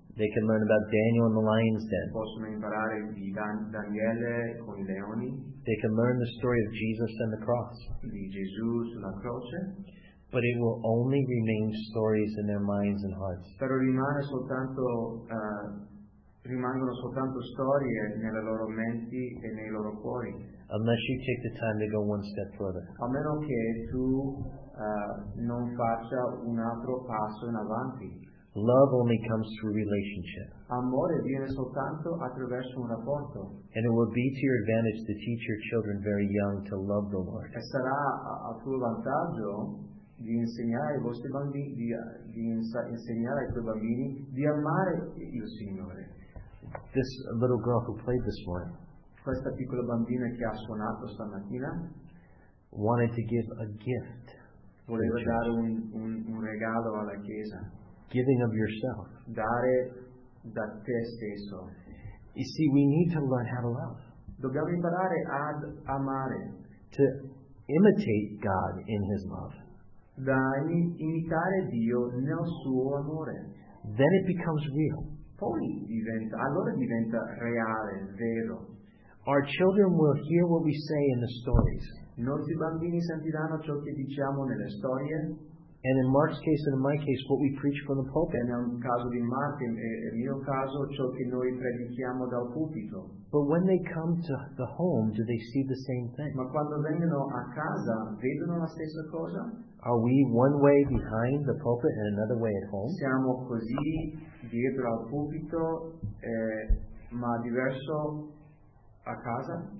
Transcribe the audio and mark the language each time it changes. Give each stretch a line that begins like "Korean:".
English: They can learn about Daniel and the lion's den.
Italian: Possono imparare di Daniele con I leoni.
English: They can learn the story of Jesus and the cross.
Italian: Di Gesù sulla croce.
English: But it will only remain stories in their minds and hearts.
Italian: Però rimane soltanto rimangono soltanto storie nelle loro menti e nei loro cuori.
English: Unless you take the time to go one step further.
Italian: A meno che tu non faccia un altro passo in avanti.
English: Love only comes through relationship.
Italian: Amore viene soltanto attraverso un rapporto.
English: And it will be to your advantage to teach your children very young to love the Lord.
Italian: E sarà a tuo vantaggio di insegnare ai vostri bambini di insegnare ai tuoi bambini di amare il Signore.
English: This little girl who played this morning.
Italian: Questa piccola bambina che ha suonato stamattina.
English: Wanted to give a gift.
Italian: Voleva dare un regalo alla chiesa.
English: Giving of yourself.
Italian: Dare da te stesso.
English: You see, we need to learn how to love.
Italian: Dobbiamo imparare ad amare.
English: To imitate God in His love.
Italian: Da imitare Dio nel suo amore.
English: Then it becomes real.
Italian: Poi diventa, allora diventa reale, vero.
English: Our children will hear what we say in the stories.
Italian: I nostri bambini sentiranno ciò che diciamo nelle storie.
English: And in Mark's case and in my case, what we preach from the pulpit.
Italian: Nel caso di Mark, nel mio caso, ciò che noi predichiamo dal pulpito.
English: But when they come to the home, do they see the same thing?
Italian: Ma quando vengono a casa, vedono la stessa cosa?
English: Are we one way behind the pulpit and another way at home?
Italian: Siamo così dietro al pulpito, ma diverso a casa?